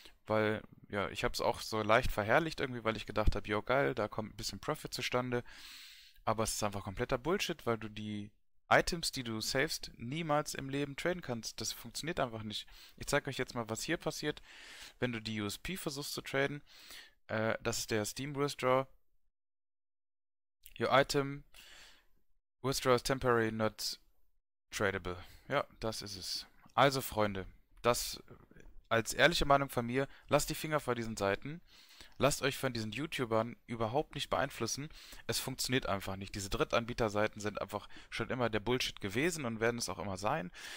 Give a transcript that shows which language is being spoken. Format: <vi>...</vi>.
<de>Weil, ja, ich habe es auch so leicht verherrlicht irgendwie, weil ich gedacht habe, jo geil, da kommt ein bisschen Profit zustande. Aber es ist einfach kompletter Bullshit, weil du die Items, die du savest, niemals im Leben traden kannst. Das funktioniert einfach nicht. Ich zeige euch jetzt mal, was hier passiert, wenn du die USP versuchst zu traden. Das ist der Steam Withdraw.</de> <en>Your item withdraw is temporary not tradable.</en> <de>Ja, das ist es. Also, Freunde, das. Als ehrliche Meinung von mir, lasst die Finger vor diesen Seiten. Lasst euch von diesen YouTubern überhaupt nicht beeinflussen. Es funktioniert einfach nicht. Diese Drittanbieterseiten sind einfach schon immer der Bullshit gewesen und werden es auch immer sein.</de>